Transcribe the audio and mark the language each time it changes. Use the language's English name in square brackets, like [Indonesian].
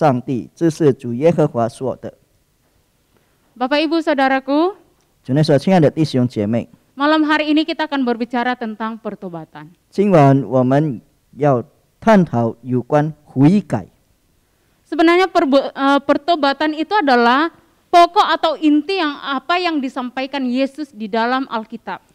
[Chinese] 好使以色列家不再走迷离开我，不再因各样的罪过玷污自己，只要做我的子民，我做他们的上帝。这是主耶和华说的。 [Indonesian] Bapak Ibu Saudaraku, [Chinese] Junesa, 亲爱的弟兄姐妹, [Indonesian] malam hari ini kita akan berbicara tentang pertobatan. [Chinese] 今晚我们要探讨有关悔改。 [Indonesian] Sebenarnya pertobatan itu adalah pokok atau inti yang apa yang disampaikan Yesus di dalam Alkitab.